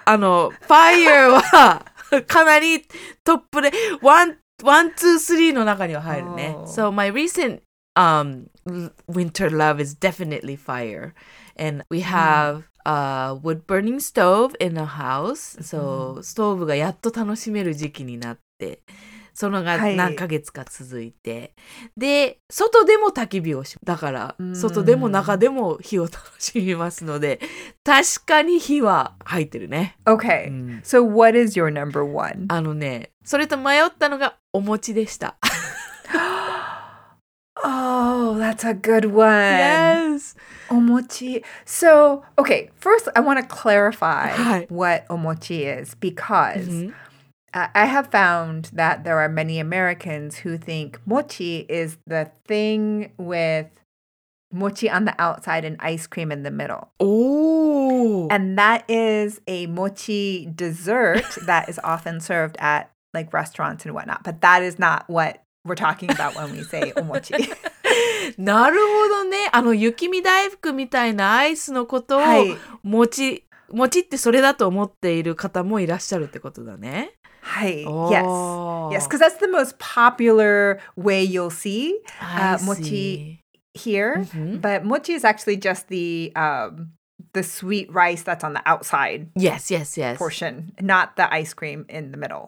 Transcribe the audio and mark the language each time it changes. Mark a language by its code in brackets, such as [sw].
[ja] あの、fire はかなりトップで、1、2、3の中には入るね。 [en] Oh. So my recent winter love is definitely fire. And we have a wood burning stove in the house. [ja] So, ストーブがやっと楽しめる時期になって、そのが何ヶ月か続いて、で外でも焚き火をし、だから外でも中でも火を楽しみますので、確かに火は入ってるね。 [en] Okay. So what is your number one? [ja] あのね、それと迷ったのがお餅でした。 [en] Oh, that's a good one. Yes. Omochi. So, okay. First, I want to clarify what omochi is because. I have found that there are many Americans who think mochi is the thing with mochi on the outside and ice cream in the middle. Ooh. And that is a mochi dessert that is often served at like restaurants and whatnot. But that is not what we're talking about when we say omochi. [ja] なるほどね。あの雪見大福みたいなアイスのことを、はい、もちってそれだと思っている方もいらっしゃるってことだね。 [en] はい、oh. Yes. Yes, because that's the most popular way you'll see mochi here. Mm-hmm. But mochi is actually just the sweet rice that's on the outside. Yes, yes, yes. Portion, not the ice cream in the middle.